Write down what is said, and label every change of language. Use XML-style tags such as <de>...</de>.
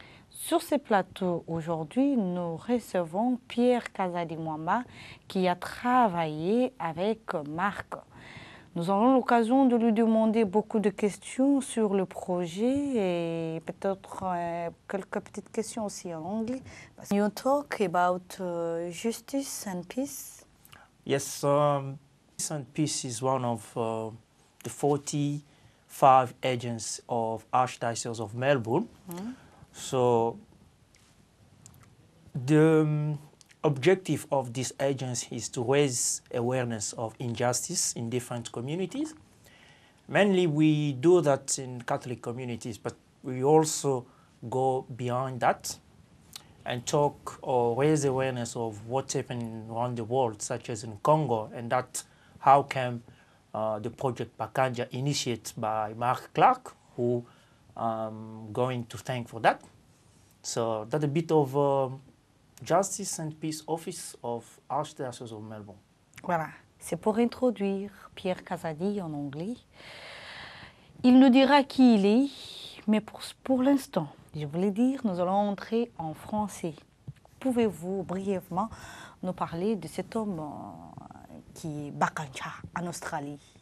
<fr>Sur ce plateau aujourd'hui, nous recevons Pierre Kazadimwamba qui a travaillé avec Marc. Nous aurons l'occasion de lui demander beaucoup de questions sur le projet et peut-être quelques petites questions aussi en anglais.</fr> <en>You talk about justice and peace? Yes, justice and peace is one of the 45 agents of Archdiocese of Melbourne. So the objective of this agency is to raise awareness of injustice in different communities. Mainly we do that in Catholic communities, but we also go beyond that and talk or raise awareness of what's happening around the world, such as in Congo, and that how can the project Bakanga initiated by Mark Clark, who I'm going to thank for that. So that's a bit of Justice and Peace Office of Archdiocese of Melbourne.</en> <fr>Voilà, c'est pour introduire Pierre Kazadi en anglais. Il nous dira qui il est, mais pour l'instant, je voulais dire, nous allons entrer en français. Pouvez-vous brièvement nous parler de cet homme qui est Bakanga en Australie?</fr>